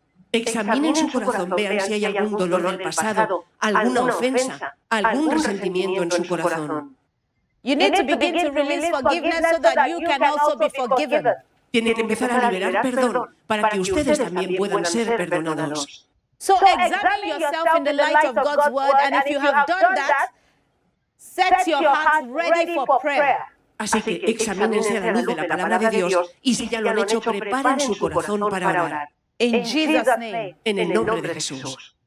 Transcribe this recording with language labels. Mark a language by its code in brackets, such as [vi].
[es] Examinen su corazón, vean si hay algún dolor del pasado, alguna ofensa, algún resentimiento en su corazón. [en] You need to begin to release forgiveness so that you can also be forgiven. [es] Tiene que empezar a liberar perdón para que ustedes también puedan ser perdonados. [en] So examine yourself in the light of God's word, and if you have done that, set your heart ready for prayer. [es] Así que examínense a la luz de la palabra de Dios, y si ya lo han hecho, preparen su corazón para orar. En Jesús' name, en el nombre de Jesús.